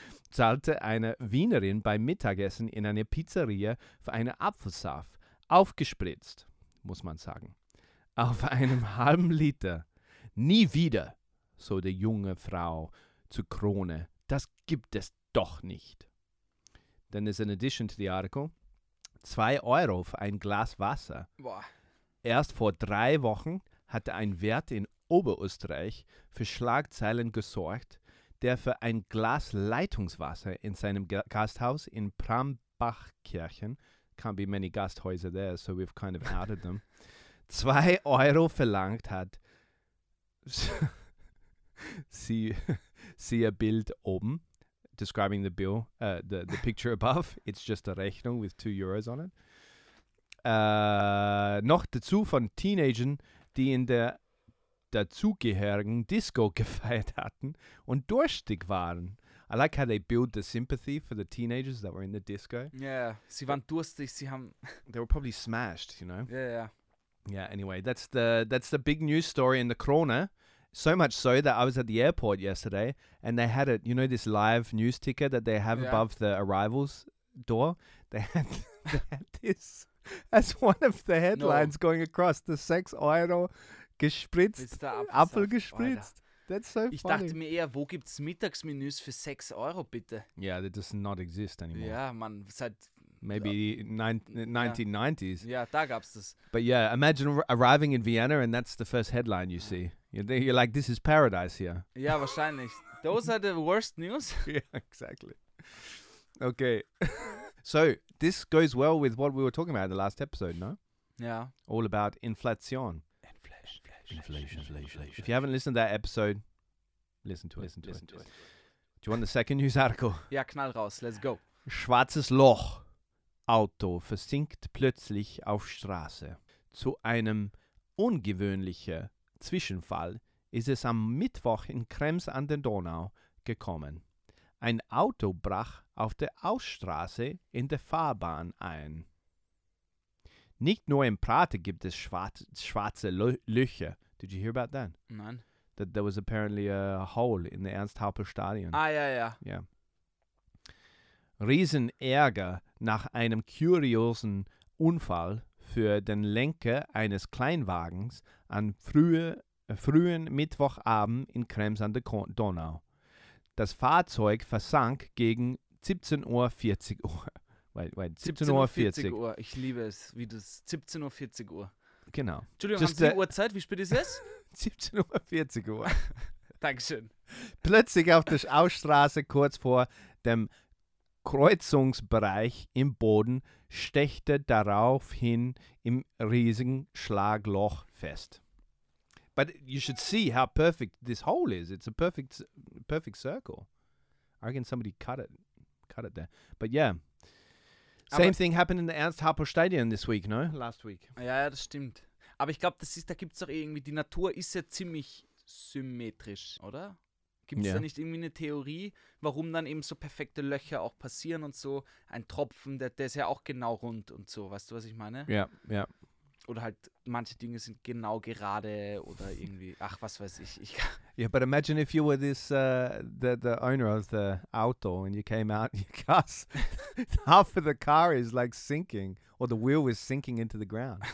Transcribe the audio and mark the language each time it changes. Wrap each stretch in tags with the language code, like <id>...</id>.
<de>Zahlte eine Wienerin beim Mittagessen in einer Pizzeria für einen Apfelsaft. Aufgespritzt, muss man sagen. Auf einem halben Liter. Nie wieder, so die junge Frau zu Krone. Das gibt es doch nicht.</de> <en>Then there's an addition to the article.</en> <de>2 Euro für ein Glas Wasser. Boah. Erst vor 3 Wochen hatte ein Wirt in Oberösterreich für Schlagzeilen gesorgt, der für ein Glas Leitungswasser in seinem Gasthaus in Prambachkirchen,</de> <en>can't be many Gasthäuser there, so we've kind of added them,</en> <de>2 Euro verlangt hat.</de> <en>See a Bild oben, describing the bill, the picture above. It's just a Rechnung with 2 Euros on it.</en> <de>noch dazu von Teenagern, die in der dazugehörigen Disco gefeiert hatten und durstig waren.</de> <en>I like how they build the sympathy for the teenagers that were in the disco.</en> <de>Yeah, sie waren durstig, sie haben...</de> <en>They were probably smashed, you know? Yeah, yeah. Yeah, anyway, that's the big news story in the Krone. So much so that I was at the airport yesterday and they had it, you know, this live news ticker that they have above the arrivals door? They had this as one of the headlines going across, the sex idol gespritzt,</en> <de>Apfel gespritzt.</de> <en>That's so funny.</en> <de>Ich dachte mir eher, wo gibt's Mittagsmenüs für 6 Euro, bitte?</de> <en>Yeah, that does not exist anymore.</en> <de>Ja, man, seit...</de> <en>Maybe 1990s.</en> <de>Ja, da gab's das.</de> <en>But yeah, imagine arriving in Vienna and that's the first headline you see. You're like, this is paradise here.</en> <de>Ja, wahrscheinlich.</de> <en>Those are the worst news. Yeah, exactly. Okay. So, this goes well with what we were talking about in the last episode, no? Yeah. All about inflation. Inflation. If you haven't listened to that episode, listen to it. Do you want the second news article?</en> <de>Ja, knall raus.</de> <en>Let's go.</en> <de>Schwarzes Loch. Auto versinkt plötzlich auf Straße. Zu einem ungewöhnlichen Zwischenfall ist es am Mittwoch in Krems an der Donau gekommen. Ein Auto brach auf der Ausstraße in der Fahrbahn ein. Nicht nur in Prater gibt es schwarze Löcher.</de> <en>Did you hear about that?</en> <de>Nein.</de> <en>That there was apparently a hole in the Ernst-Happel-Stadion.</en> <de>Ah, ja, ja. Ja. Yeah. Riesenärger nach einem kuriosen Unfall für den Lenker eines Kleinwagens an frühen Mittwochabend in Krems an der Donau. Das Fahrzeug versank gegen 17.40 Uhr. Wait, 17.40 Uhr. Uhr. Ich liebe es, wie das 17.40 Uhr. Genau. Entschuldigung, just haben Sie Uhrzeit? Wie spät ist es? 17.40 Uhr. Dankeschön. Plötzlich auf der Ausstraße kurz vor dem Kreuzungsbereich im Boden stechte daraufhin im riesigen Schlagloch fest.</de> <en>But you should see how perfect this hole is. It's a perfect circle. I reckon somebody cut it there. But yeah, same thing happened in the Ernst-Happel-Stadion this week, no? Last week.</en> <de>Ja, ja, das stimmt. Aber ich glaube, da gibt es auch irgendwie, die Natur ist ja ziemlich symmetrisch, oder? Gibt es da nicht irgendwie eine Theorie, warum dann eben so perfekte Löcher auch passieren und so? Ein Tropfen, der ist ja auch genau rund und so, weißt du, was ich meine? Ja, ja. Oder halt manche Dinge sind genau gerade oder irgendwie, ach, was weiß ich.</de> <en>Yeah, but imagine if you were the owner of the auto and you came out and your car's, half of the car is like sinking or the wheel is sinking into the ground.</en>